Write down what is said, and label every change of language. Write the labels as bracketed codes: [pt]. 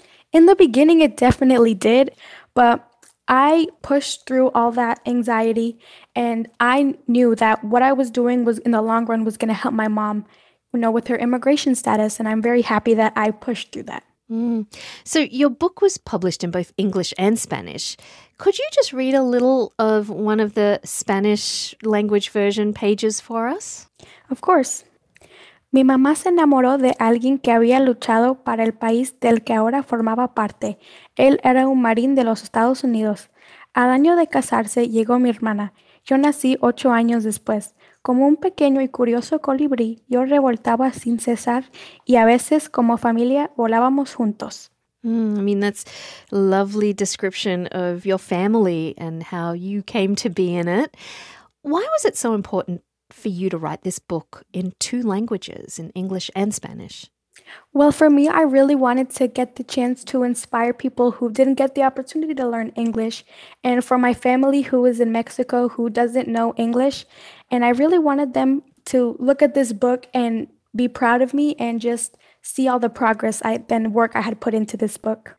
[en] In the beginning, it definitely did. But I pushed through all that anxiety, and I knew that what I was doing was, in the long run, was going to help my mom, you know, with her immigration status. And I'm very happy that I pushed through that. So your book was published in both English and Spanish. Could you just read a little of one of the Spanish language version pages for us? Of course. [es] Mi mamá se enamoró de alguien que había luchado para el país del que ahora formaba parte. Él era un marín de los Estados Unidos. Al año de casarse llegó mi hermana. Yo nací 8 años después. Como un pequeño y curioso colibrí, yo revoltaba sin cesar y a veces como familia volábamos juntos. [en] I mean, that's a lovely description of your family and how you came to be in it. Why was it so important for you to write this book in two languages, in English and Spanish? Well, for me, I really wanted to get the chance to inspire people who didn't get the opportunity to learn English, and for my family who is in Mexico who doesn't know English, and I really wanted them to look at this book and be proud of me and just see all the progress and work I had put into this book.